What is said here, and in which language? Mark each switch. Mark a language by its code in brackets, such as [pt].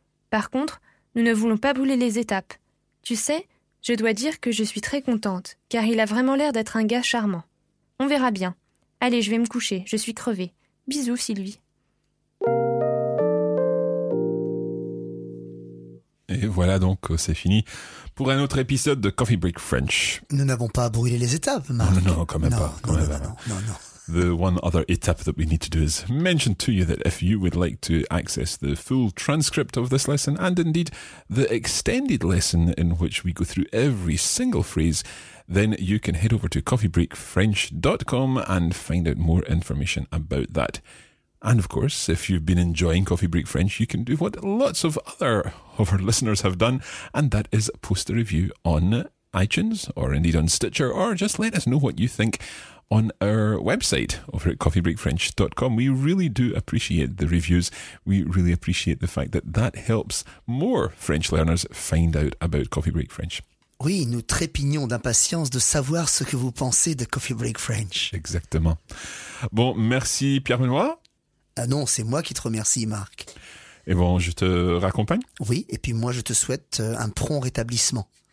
[fr] Par contre, nous ne voulons pas brûler les étapes. Tu sais, je dois dire que je suis très contente, car il a vraiment l'air d'être un gars charmant. On verra bien. Allez, je vais me coucher, je suis crevée. Bisous, Sylvie. Et voilà donc, c'est fini pour un autre épisode de Coffee Break French. Nous n'avons pas brûlé les étapes, Marc. Non, quand même pas. [en] The one other étape that we need to do is mention to you that if you would like to access the full transcript of this lesson and indeed the extended lesson in which we go through every single phrase, then you can head over to coffeebreakfrench.com and find out more information about that. And of course, if you've been enjoying Coffee Break French, you can do what lots of other of our listeners have done, and that is post a review on iTunes or indeed on Stitcher, or just let us know what you think on our website over at coffeebreakfrench.com. We really do appreciate the reviews. We really appreciate the fact that that helps more French learners find out about Coffee Break French. [fr] Oui, nous trépignons d'impatience de savoir ce que vous pensez de Coffee Break French. Exactement. Bon, merci Pierre Benoît. Ah non, c'est moi qui te remercie, Marc. Et bon, je te raccompagne. Oui, et puis moi je te souhaite un prompt rétablissement.